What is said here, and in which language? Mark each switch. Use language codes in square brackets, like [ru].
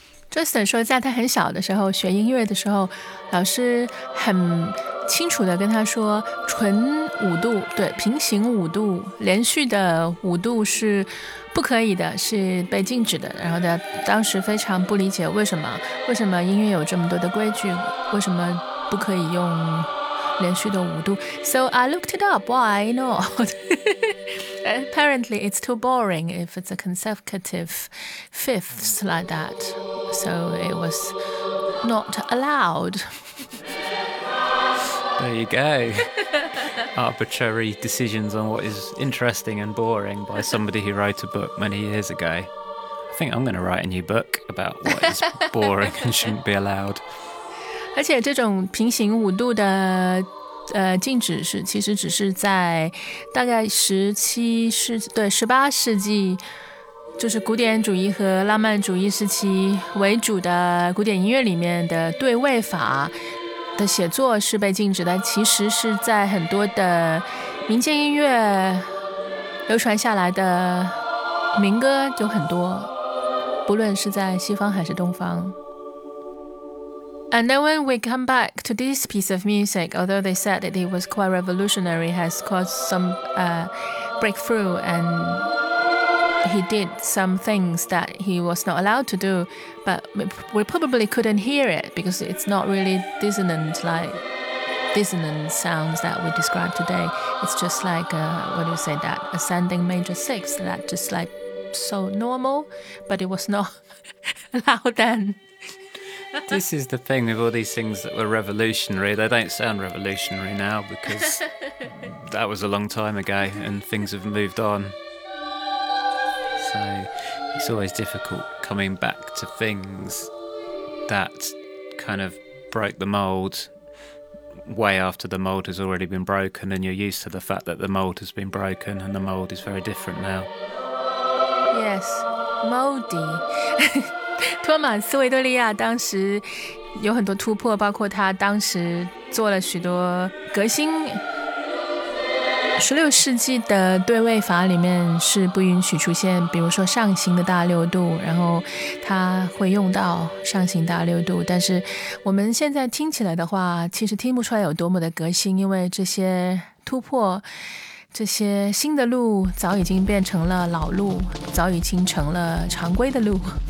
[zh] Justin 说在他很小的时候学音乐的时候，老师很清楚地跟他说，纯五度，对，平行五度，连续的五度是不可以的，是被禁止的。然后他当时非常不理解，为什么音乐有这么多的规矩，为什么不可以用连续的五度。 [en] So I looked it up, why not? Apparently it's too boring if it's a consecutive fifths like that. So it was not allowed. There you go. Arbitrary decisions on what is interesting and boring by somebody who wrote a book many years ago. I think I'm going to write a new book about what is boring and shouldn't be allowed. [zh] 而且这种平行五度的禁止是其实只是在大概18世纪，就是古典主义和浪漫主义时期为主的古典音乐里面的对位法的写作是被禁止的，其实是在很多的民间音乐流传下来的民歌就很多，不论是在西方还是东方。 [en] And then when we come back to this piece of music, although they said that it was quite revolutionary, has caused some breakthrough, and he did some things that he was not allowed to do, but we probably couldn't hear it because it's not really dissonant, like dissonant sounds that we describe today. It's just like, what do you say, that ascending major sixth, that just like so normal, but it was not allowed then. This is the thing with all these things that were revolutionary. They don't sound revolutionary now because that was a long time ago and things have moved on. So it's always difficult coming back to things that kind of broke the mould way after the mold has already been broken, and you're used to the fact that the mold has been broken and the mold is very different now. Yes, moldy. [zh] 托马斯·维多利亚当时有很多突破，包括他当时做了许多革新。 16世纪的对位法里面是不允许出现比如说上行的大六度，然后他会用到上行大六度，但是我们现在听起来的话其实听不出来有多么的革新，因为这些突破，这些新的路早已经变成了老路，早已经成了常规的路。